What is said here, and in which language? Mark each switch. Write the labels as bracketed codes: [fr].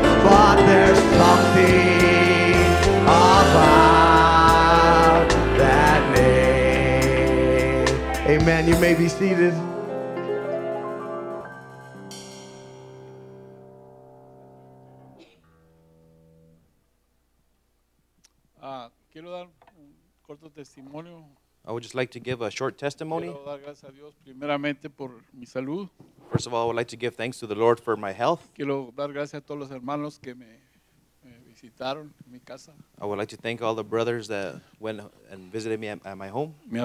[en] But there's something about that name. Amen. You may be seated. [es] Quiero dar un corto testimonio. [en] I would just like to give a short testimony. [es] Quiero dar gracias a Dios primeramente por mi salud. [en] First of all, I would like to give thanks to the Lord for my health. [es] Quiero dar gracias a todos los hermanos que me visitaron en mi casa. [en] I would like to thank all the brothers that went and visited me at my home.